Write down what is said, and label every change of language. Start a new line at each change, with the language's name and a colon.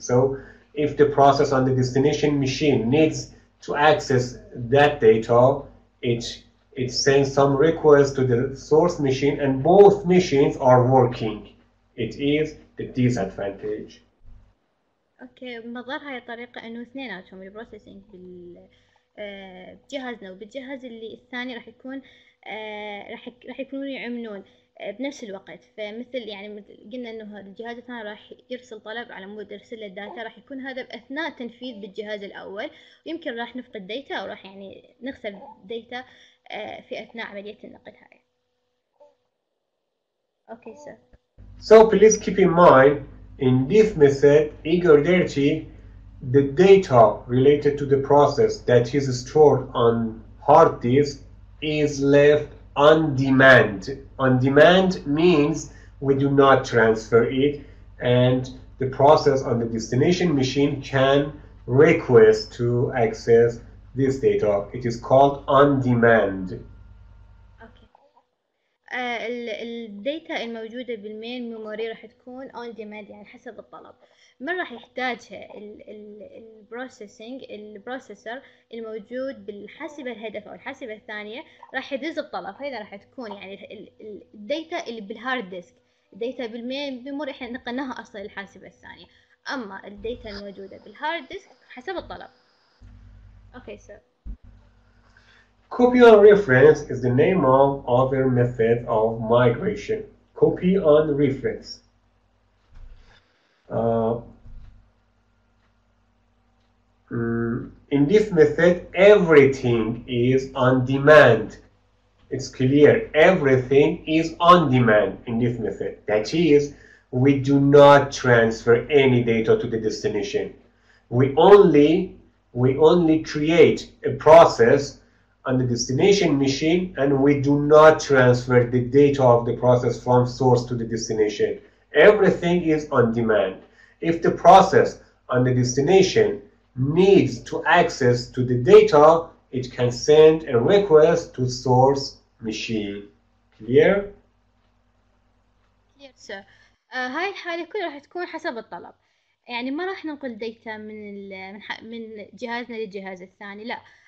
English: So if the process on the destination machine needs to access that data, it sends some request to the source machine, and both machines are working. It is the disadvantage.
Arabic: اوكي، بنظر هاي الطريقة انه اثنيناتهم البروسيسنج بجهازنا وبالجهاز اللي الثاني راح يكون راح يكونون يعملون بنفس الوقت. فمثل يعني قلنا انه الجهاز الثاني راح يرسل طلب على مود يرسل له الداتا، راح يكون هذا اثناء تنفيذ بالجهاز الاول، ويمكن راح نفقد داتا او راح يعني نخسر داتا في اثناء عملية النقل هاي.
English: Okay sir. So please keep in mind, in this method, eager dirty, the data related to the process that is stored on hard disk is left on demand. On demand means we do not transfer it, and the process on the destination machine can request to access this data. It is called on demand. Okay.
Arabic: الداتا الموجودة بالمين ميموري راح تكون اون ديماند، يعني حسب الطلب. من راح يحتاجها؟ البروسيسنج، البروسيسر الموجود بالحاسبة الهدف او الحاسبة الثانية راح يدز الطلب. هذا راح تكون يعني الداتا اللي بالهارد ديسك، الداتا بالمين ميموري احنا نقلناها اصلا للحاسبة الثانية، اما الداتا الموجودة بالهارد ديسك حسب الطلب.
English: Okay sir. Copy on reference is the name of other method of migration. Copy on reference. In this method, everything is on demand. It's clear, everything is on demand in this method. That is, we do not transfer any data to the destination. We only create a process on the destination machine, and we do not transfer the data of the process from source to the destination. Everything is on demand. If the process on the destination needs to access to the data, it can send a request to source machine. Clear? Yes, sir.
Arabic: هاي الحالة كلها راح تكون حسب الطلب. يعني ما راح ننقل data من جهازنا للجهاز الثاني، لا.